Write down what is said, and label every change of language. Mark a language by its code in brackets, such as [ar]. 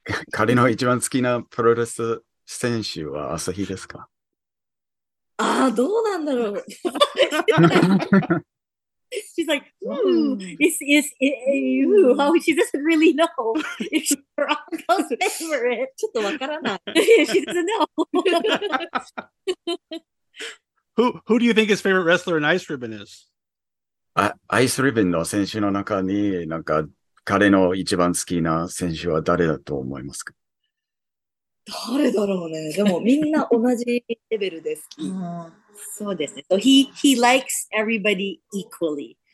[ja] 彼の一番好きなプロレス選手は朝日ですか？ああ、どうなんだろう。 [en] She's like, how she doesn't really know if she's her uncle's favorite. [ja] ちょっとわからない。 [en] She doesn't know. who do you think his favorite wrestler in Ice Ribbon is? [ja] アイスリボンの選手の中になんか彼の一番好きな選手は誰だと思いますか？誰だろうね。でもみんな同じレベルで好き。そうですね。 [en] So he likes everybody equally.